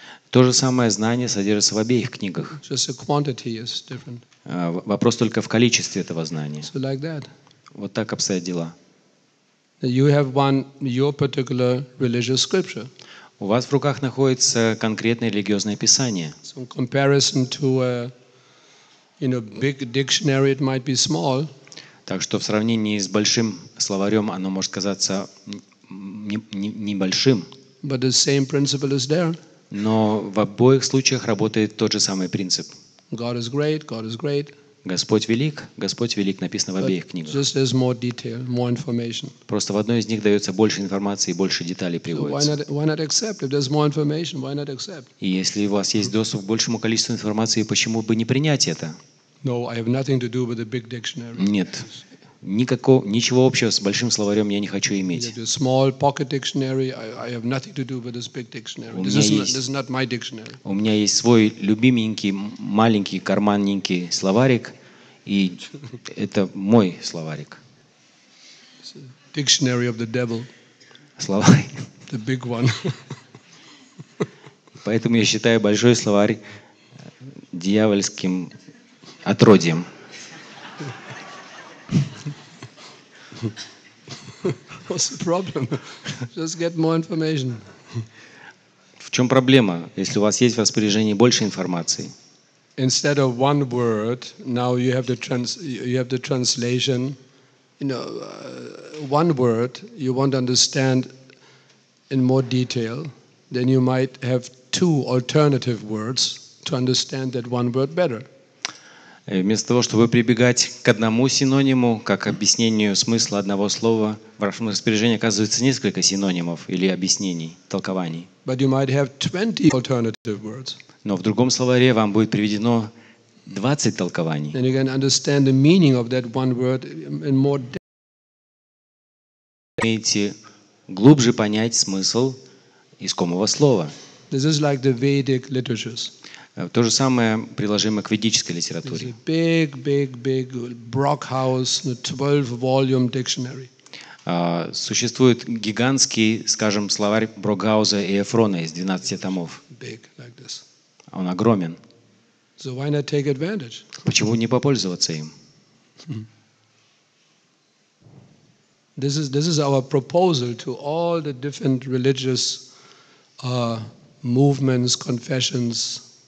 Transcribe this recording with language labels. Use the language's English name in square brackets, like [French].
[Russian] То же самое знание содержится в обеих книгах. [English] Just the quantity is different. [Russian] Вопрос только в количестве этого знания. [English] So like that. [Russian] Вот так обстоят дела. [English] You have one, your particular religious scripture. [Russian] У вас в руках находится конкретное религиозное писание. [English] So in comparison to a, you know, big dictionary, it might be small. [Russian] Так что в сравнении с большим словарем оно может казаться небольшим. [English] But the same principle is there. [Russian] Но в обоих случаях работает тот же самый принцип. [English] God is great, God is great. [Russian] Господь велик, написано в обеих книгах. [English] Just there's more detail, more information. [Russian] Просто в одной из них дается больше информации и больше деталей приводится. [English] Why not accept? If there's more information, why not accept? [Russian] И если у вас есть доступ к большему количеству информации, почему бы не принять это? [English] No, I have nothing to do with the big dictionary. [Russian] Нет. Ничего общего с большим словарем я не хочу иметь. [English] It's a small pocket dictionary. I have nothing to do with this big dictionary. This is not my dictionary. [Russian] У меня есть свой любименький маленький карманненький словарик, и это мой словарик. [English] It's a dictionary of the devil. [Russian] Словарь. [English] The big one. [Russian] Поэтому я считаю большой словарь дьявольским отродьем. [English] What's the problem? Just get more information. [Russian] В чем проблема, если у вас есть в распоряжении больше информации? [English] Instead of one word, now you have the translation. You know, one word you want to understand in more detail, then you might have two alternative words to understand that one word better. [Russian] Вместо того, чтобы прибегать к одному синониму, как объяснению смысла одного слова, в вашем распоряжении оказывается несколько синонимов или объяснений, толкований. [English] But you might have 20 alternative words. [Russian] Но в другом словаре вам будет приведено 20 толкований. [English] And you can understand the meaning of that one word in more depth. [Russian] Вы можете глубже понять смысл искомого слова. [English] This is like the Vedic literatures. [Russian] То же самое приложимо к ведической литературе. [English] Big, big, big Brockhaus, 12-volume dictionary. [Russian] Существует гигантский, скажем, словарь Брокгауза и Эфрона из 12 томов. [English] Big, like this. [Russian] Он огромен. [English] So why not take advantage? [Russian] Почему не попользоваться им? [English] This is our proposal to all the different religious movements, confessions.